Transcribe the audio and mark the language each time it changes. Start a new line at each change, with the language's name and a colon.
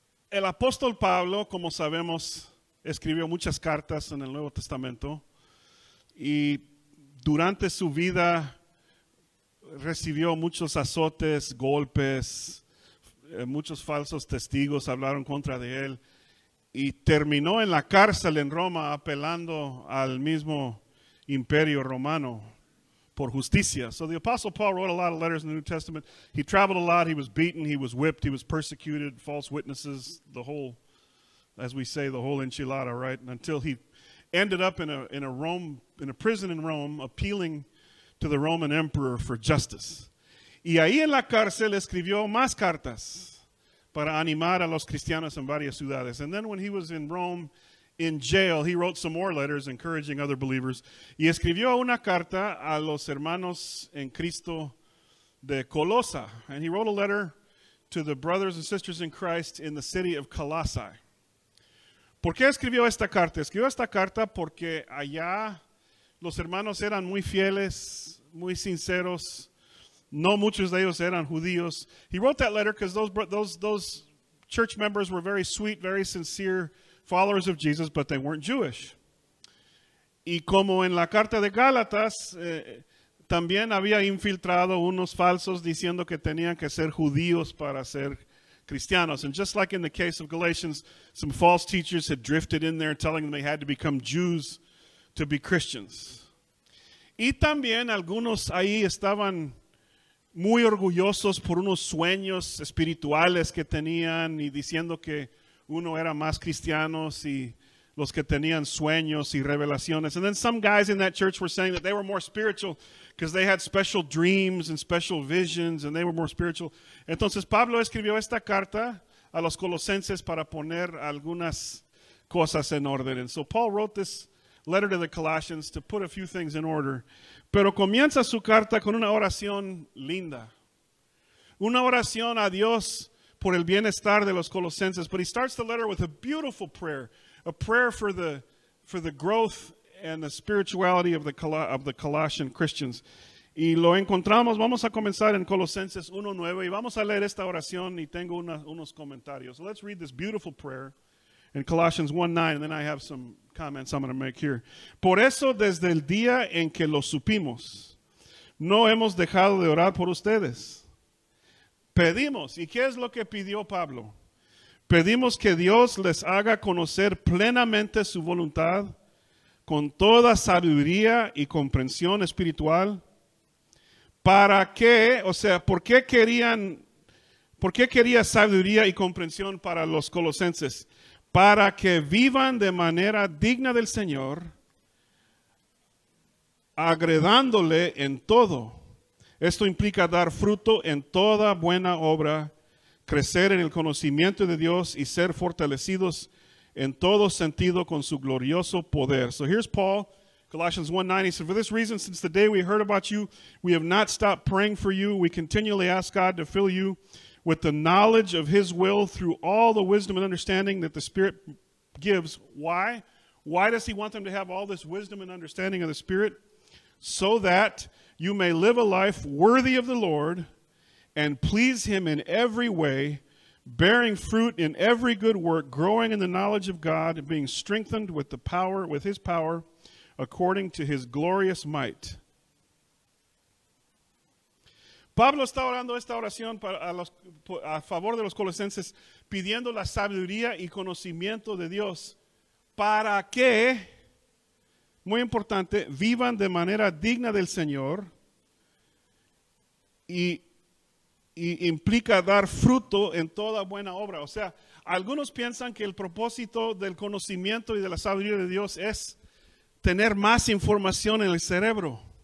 Spanish: El apóstol Pablo, como sabemos, escribió muchas cartas en el Nuevo Testamento y durante su vida recibió muchos azotes, golpes, muchos falsos testigos hablaron contra de él y terminó en la cárcel en Roma apelando al mismo imperio romano por justicia.
English: So the apostle Paul wrote a lot of letters in the New Testament. He traveled a lot, he was beaten, he was whipped, he was persecuted, false witnesses, the whole, as we say, the whole enchilada, right? And until he ended up in a prison in Rome, appealing to the Roman emperor for justice.
Spanish: Y ahí en la cárcel escribió más cartas para animar a los cristianos en varias ciudades.
English: And then when he was in Rome, in jail, he wrote some more letters encouraging other believers.
Spanish: Y escribió una carta a los hermanos en Cristo de Colosa.
English: And he wrote a letter to the brothers and sisters in Christ in the city of Colossae.
Spanish: ¿Por qué escribió esta carta? Escribió esta carta porque allá los hermanos eran muy fieles, muy sinceros. No muchos de ellos eran judíos.
English: He wrote that letter because those church members were very sweet, very sincere followers of Jesus, but they weren't Jewish.
Spanish: Y como en la carta de Gálatas, también había infiltrado unos falsos diciendo que tenían que ser judíos para ser cristianos.
English: And just like in the case of Galatians, some false teachers had drifted in there telling them they had to become Jews to be Christians.
Spanish: Y también algunos ahí estaban muy orgullosos por unos sueños espirituales que tenían y diciendo que uno era más cristianos y los que tenían sueños y revelaciones.
English: And then some guys in that church were saying that they were more spiritual because they had special dreams and special visions and they were more spiritual.
Spanish: Entonces Pablo escribió esta carta a los colosenses para poner algunas cosas en orden.
English: And so Paul wrote this letter to the Colossians to put a few things in order.
Spanish: Pero comienza su carta con una oración linda. Una oración a Dios por el bienestar de los colosenses.
English: But he starts the letter with a beautiful prayer. A prayer for the growth and the spirituality of the Colossian Christians.
Spanish: Y lo encontramos, vamos a comenzar en Colosenses 1:9 y vamos a leer esta oración y tengo unos comentarios.
English: So let's read this beautiful prayer in Colossians 1:9 and then I have some comments I'm going to make here.
Spanish: Por eso desde el día en que lo supimos, no hemos dejado de orar por ustedes. Pedimos, ¿y qué es lo que pidió Pablo? Pedimos que Dios les haga conocer plenamente su voluntad con toda sabiduría y comprensión espiritual. ¿Para qué? O sea, ¿por qué quería sabiduría y comprensión para los colosenses? Para que vivan de manera digna del Señor, agradándole en todo. Esto implica dar fruto en toda buena obra, crecer en el conocimiento de Dios y ser fortalecidos en todo sentido con su glorioso poder.
English: So here's Paul, Colossians 1:9. He said, for this reason, since the day we heard about you, we have not stopped praying for you. We continually ask God to fill you with the knowledge of his will through all the wisdom and understanding that the Spirit gives. Why? Why does he want them to have all this wisdom and understanding of the Spirit? So that you may live a life worthy of the Lord and please him in every way, bearing fruit in every good work, growing in the knowledge of God, and being strengthened with the power, with his power, according to his glorious might.
Spanish: Pablo está orando esta oración a favor de los colosenses, pidiendo la sabiduría y conocimiento de Dios. ¿Para qué? Muy importante, vivan de manera digna del Señor y implica dar fruto en toda buena obra. O sea, algunos piensan que el propósito del conocimiento y de la sabiduría de Dios es tener más información en el cerebro.